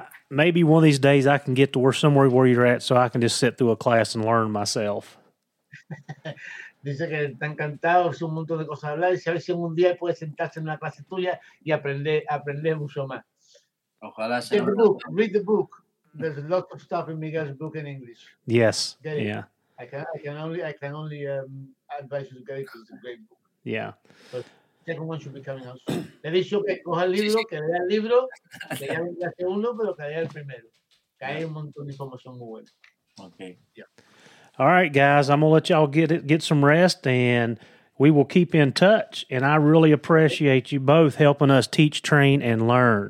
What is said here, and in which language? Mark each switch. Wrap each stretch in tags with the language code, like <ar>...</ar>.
<en>Maybe one of these days I can get to somewhere where you're at, so I can just sit through a class and learn myself.</en> <es>Dice que está encantado, es un montón de cosas a hablar, y a ver si algún día puedes sentarse en una clase tuya y aprender mucho más. Ojalá sea.</es> <en>Read the book. There's a lot of stuff in Miguel's book in English. Yes. Get it. Yeah. I can only advise you to get it. It's a great book. Yeah. Second one should be coming out soon.</en> <es>Le he dicho que coja el libro, que lea el libro, que lea el segundo, pero que lea el primero. Que hay un montón de información muy buena.</es> <en>Okay. Yeah. All right, guys. I'm going to let y'all get some rest, and we will keep in touch. And I really appreciate you both helping us teach, train, and learn.</en>